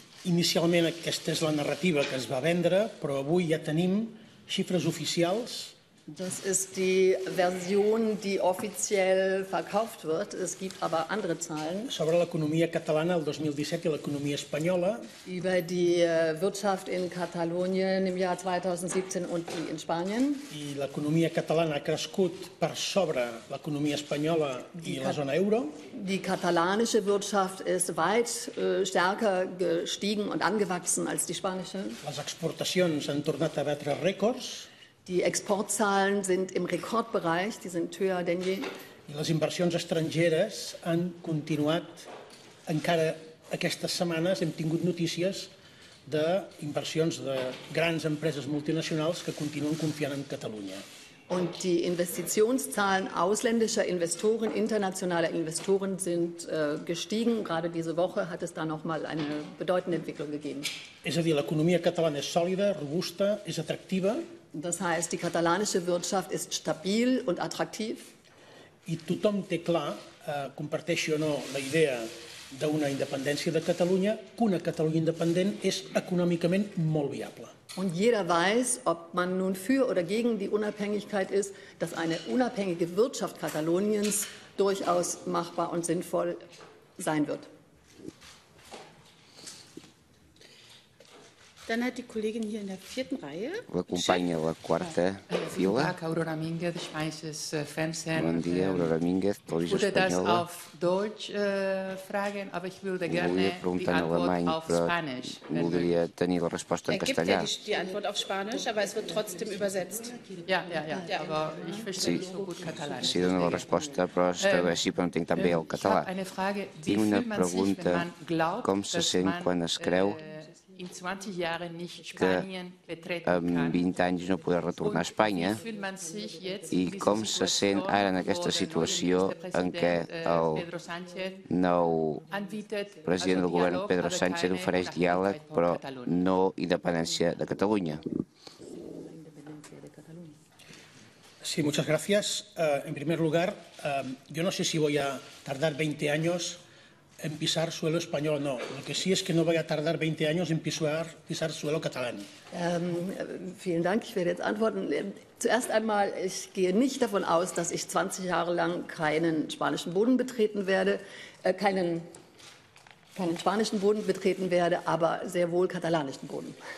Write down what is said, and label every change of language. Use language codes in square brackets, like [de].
[ca] Inicialment aquesta és la narrativa que es va vendre, però avui ja tenim xifres oficials. [de] Das ist die Version, die offiziell verkauft wird. Es gibt aber andere Zahlen. [ca] Sobre l'economia catalana el 2017 i l'economia espanyola. [de] Über die Wirtschaft in Katalonien im Jahr 2017 und in Spanien. [ca] I l'economia catalana ha crescut per sobre l'economia espanyola i la zona euro. [de] Die katalanische Wirtschaft ist weit stärker gestiegen und angewachsen als die spanische. [ca] Les exportacions han tornat a batre rècords. [de] Die Exportzahlen sind im Rekordbereich, die sind höher denn je. [ca] I les inversions estrangeres han continuat encara aquestes setmanes. Hem tingut notícies d'inversions de grans empreses multinacionals que continuen confiant en Catalunya. [de] Und die Investitionszahlen ausländischer Investoren, internationaler Investoren sind gestiegen. Gerade diese Woche hat es da noch mal eine bedeutende Entwicklung gegeben. [ca] És a dir, l'economia catalana és sòlida, robusta, és atractiva. [de] Das heißt, die katalanische Wirtschaft ist stabil und attraktiv. [ca] I tothom té clar, comparteixi o no la idea d'una independència de Catalunya, que una Catalunya independent és econòmicament molt viable. [de] Und jeder weiß, ob man nun für oder gegen die Unabhängigkeit ist, dass eine unabhängige Wirtschaft Kataloniens durchaus machbar und sinnvoll sein wird. Dann hat die Kollegin hier in der vierten Reihe. [ca] La companya a la quarta fila. [de] Guten Tag, Aurora Mínguez, Schweizes Fernsehen. [ca] Bon dia, Aurora Mínguez, Televisió Espanyola. [de] Ich würde das auf Deutsch fragen, aber ich würde gerne die Antwort auf Spanisch. [ca] Voldria tenir la resposta en castellà. [de] Er gibt ja die Antwort auf Spanisch, aber es wird trotzdem übersetzt. Ja, ja, ja, aber ich verstehe nicht so gut Katalan. [ca] Sí, dono la resposta, però així però entenc també el català. [de] Ich habe eine Frage, wie fühlt man sich, wenn man glaubt, [ca] com se sent quan es creu [de] in 20 Jahren nicht Spanien betreten kann. [ca] Que en 20 anys no poder retornar a Espanya. I com se sent ara en aquesta situació en què el nou president del govern Pedro Sánchez ofereix diàleg però no independència de Catalunya? [es] Sí, muchas gracias. En primer lugar, yo no sé si voy a tardar 20 años en pisar suelo español, no. Lo que sí es que no voy a tardar 20 años en pisar suelo catalán. [de] Vielen Dank, ich werde jetzt antworten. Zuerst einmal, ich gehe nicht davon aus, dass ich 20 Jahre lang keinen spanischen Boden betreten werde, keinen spanischen Boden betreten werde, aber sehr wohl katalanischen Boden.